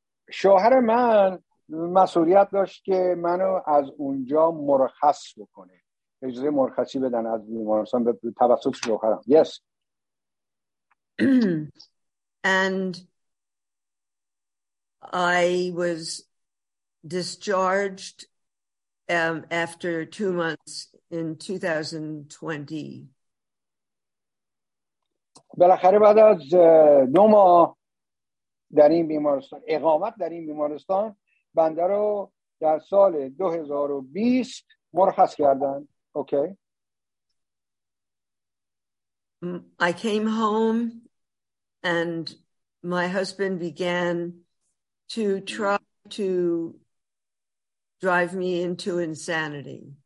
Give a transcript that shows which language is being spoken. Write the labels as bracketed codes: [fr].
[fa] شوهر من مسئولیت داشت که منو از اونجا مرخص بکنه، اجازه مرخصی بدن از بیمارستان به توسط شوهرم. [en] Yes. And I was discharged after 2 months in 2020. [fa] بالاخره بعد از 9 ماه در این بیمارستان اقامت در این بیمارستان بنده رو در سال 2020 مرخص کردن. [en] Okay. I came home and my husband began to try to drive me into insanity.